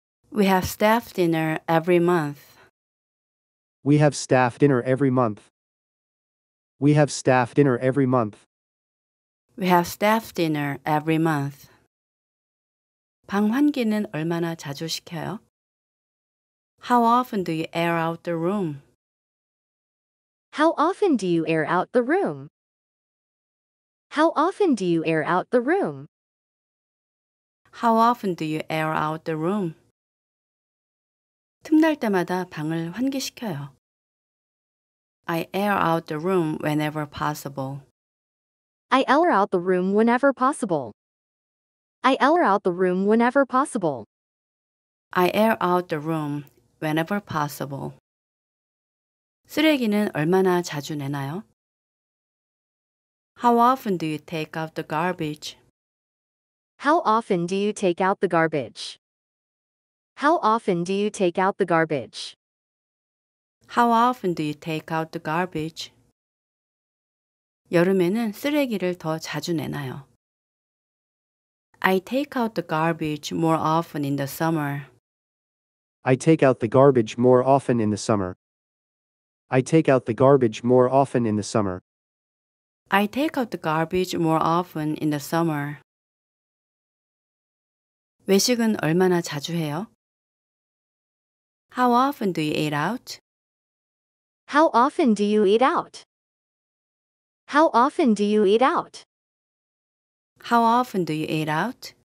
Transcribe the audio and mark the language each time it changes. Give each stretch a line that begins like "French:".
English: We have staff dinner every month. We have staff dinner every month. We have staff dinner every month. We have staff dinner every month.
Korean: 방 환기는 얼마나 자주 시켜요?
English: How often do you air out the room? How often do you air out the room? How often do you air out the room? How often do you air out the room?
Korean: 틈날 때마다 방을 환기시켜요.
English: I air out the room whenever possible. I air out the room whenever possible. I air out the room whenever possible. I air out the room whenever possible.
Korean: 쓰레기는 얼마나 자주 내나요?
English: How often do you take out the garbage? How often do you take out the garbage? How often do you take out the garbage? How often do you take out the garbage?
Korean: 여름에는 쓰레기를 더 자주 내나요?
English: I take out the garbage more often in the summer. I take out the garbage more often in the summer. I take out the garbage more often in the summer. I take out the garbage more often in the summer.
Korean: 외식은 얼마나 자주 해요?
English: How often do you eat out? How often do you eat out? How often do you eat out? How often do you eat out?